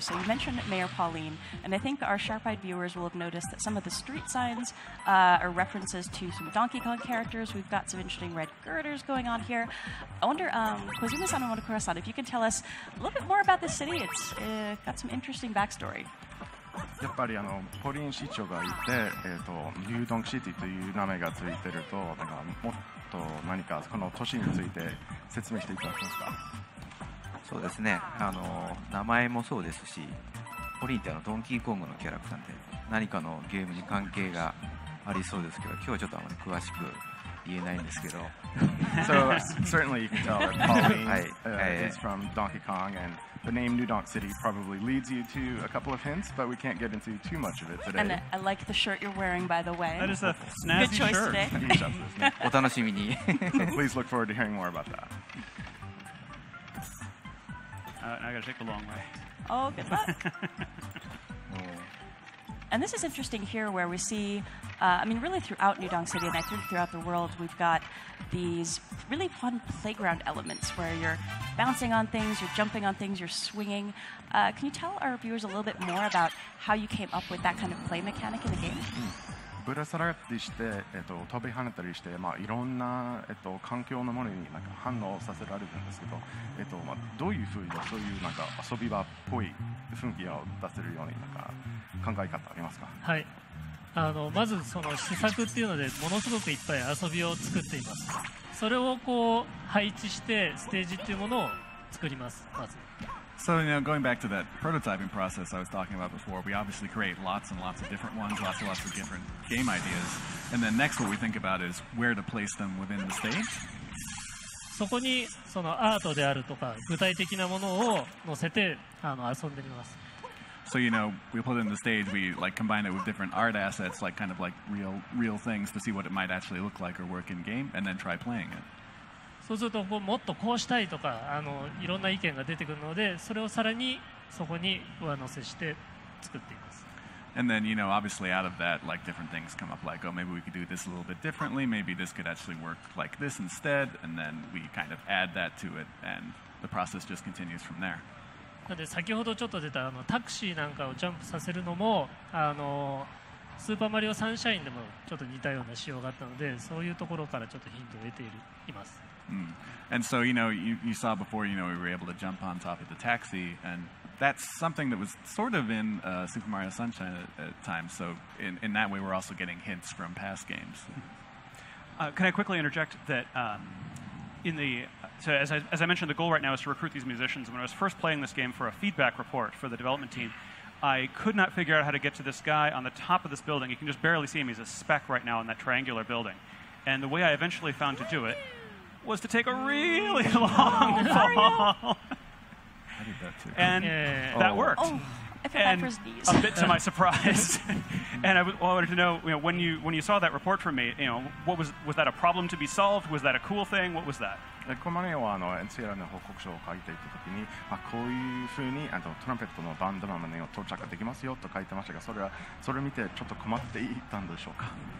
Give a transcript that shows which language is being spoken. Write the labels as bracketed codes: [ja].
[en] So you mentioned Mayor Pauline, and I think our sharp-eyed viewers will have noticed that some of the street signs are references to some Donkey Kong characters. We've got some interesting red girders going on here. I wonder, Kozuma-san and Monokura-san, if you can tell us a little bit more about this city. It's got some interesting backstory. [ja] やっぱりあのポリン市長がいて、ニュードンクシティという名前がついてると、なんかもっと何かこの都市について説明していただけますか。そうですね。あの名前もそうですし、ポリンってあのドンキーコングのキャラクターで何かのゲームに関係がありそうですけど、今日はちょっとあまり詳しく言えないんですけど。 [en] So certainly you can tell that Pauline is from Donkey Kong and. The name New Donk City probably leads you to a couple of hints, but we can't get into too much of it today. And I like the shirt you're wearing, by the way. That is a snazzy shirt. Good choice today. [ja] 楽しみに。 [en] Please look forward to hearing more about that. I gotta take the long way. Oh, good luck. And this is interesting here where we see, I mean, really throughout New Donk City, and I think throughout the world, we've got these really fun playground elements where you're bouncing on things, you're jumping on things, you're swinging. Can you tell our viewers a little bit more about how you came up with that kind of play mechanic in the game? [ja] ぶら下がったりして、飛び跳ねたりして、まあ、いろんな、環境のものになんか反応させられるんですけど、まあ、どういうふうにそういうなんか遊び場っぽい雰囲気を出せるようになんか考え方ありますか？はい。まずその試作っていうのでものすごくいっぱい遊びを作っています。それをこう配置してステージっていうものを作ります。まず [en] So, you know, going back to that prototyping process I was talking about before, we obviously create lots and lots of different ones, lots and lots of different game ideas. And then next, what we think about is where to place them within the stage. [ja] そこにそのアートであるとか具体的なものを乗せて遊んでみます。 [en] So, you know, we put it in the stage, we like combine it with different art assets, like kind of like real things to see what it might actually look like or work in game, and then try playing it. [ja] そうするともっとこうしたいとかいろんな意見が出てくるのでそれをさらにそこに上乗せして作っています。 [en] And then, you know, obviously out of that, like different things come up, like, oh, maybe we could do this a little bit differently. Maybe this could actually work like this instead. And then we kind of add that to it, and the process just continues from there. [ja] なので先ほどちょっと出たあのタクシーなんかをジャンプさせるのもあのスーパーマリオサンシャインでもちょっと似たような仕様があったのでそういうところからちょっとヒントを得ている、います、mm. [en] And so you know you saw before you know we were able to jump on top of the taxi and that's something that was sort of in、Super Mario Sunshine at times so in that way we're also getting hints from past games、 Can I quickly interject that、in the So as I mentioned, the goal right now is to recruit these musicians. When I was first playing this game for a feedback report for the development team, I could not figure out how to get to this guy on the top of this building. You can just barely see him. He's a speck right now in that triangular building. And the way I eventually found to do it was to take a really long fall. I did that too. And that worked. Oh, I feel bad for his knees. A bit to my surprise. And I wanted to know, you know, when you saw that report from me, you know, what was that a problem to be solved? Was that a cool thing? What was that? [ja] コマネオはあのエンツィエラの報告書を書いていたときに、まあ、こういうふうにあのトランペットのバンドマネを到着できますよと書いてましたがそれを見てちょっと困っていたんでしょうか